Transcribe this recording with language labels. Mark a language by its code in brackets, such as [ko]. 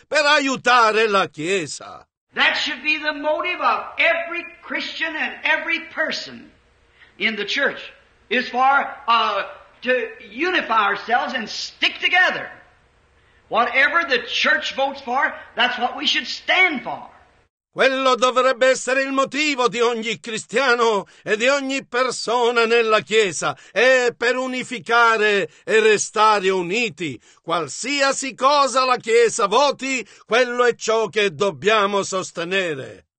[it] Per aiutare la Chiesa. [en] That should be the motive of every Christian and every person in the church, is for to unify ourselves and stick together. Whatever the church votes for, that's what we should stand for. [it] Quello dovrebbe essere il motivo di ogni cristiano e di ogni persona nella Chiesa, è per unificare e restare uniti. Qualsiasi cosa la Chiesa voti, quello è ciò che dobbiamo sostenere.